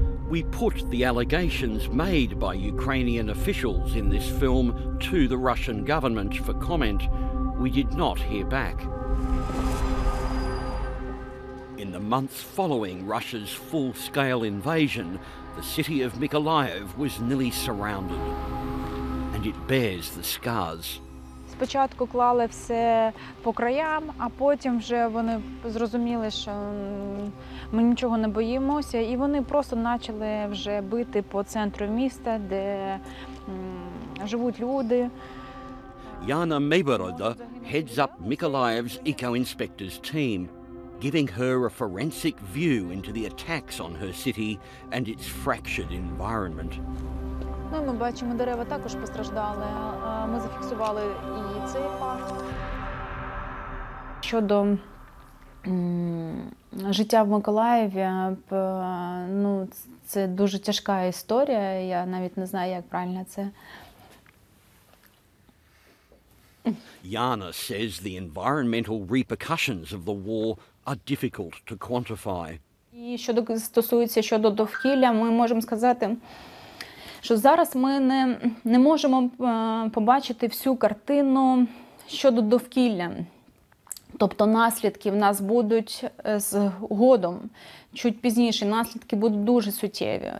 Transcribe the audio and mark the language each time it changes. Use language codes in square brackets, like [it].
[en] We put the allegations made by Ukrainian officials in this film to the Russian government for comment. We did not hear back. In the months following Russia's full-scale invasion, the city of Mykolaiv was nearly surrounded, and it bears the scars. [uk] Спочатку клали все по краям, а потім вже вони зрозуміли, що ми нічого не боїмося, і вони просто почали вже бити по центру міста, де живуть люди. [en] Яна Мейборода heads up Mykolaiv's eco-inspector's team, giving her a forensic view into the attacks on her city and its fractured environment. [uk] Ну, ми бачимо, дерева також постраждали, а ми зафіксували і цей факт. Щодо життя в Миколаєві, ну, це дуже тяжка історія, я навіть не знаю, як правильно це. [en] Яна says the environmental repercussions of the war are difficult to quantify. [uk] І щодо стосується щодо довкілля, ми можемо сказати, що зараз ми не можемо побачити всю картину щодо довкілля. Тобто наслідки в нас будуть з годом, чуть пізніше наслідки будуть дуже суттєві.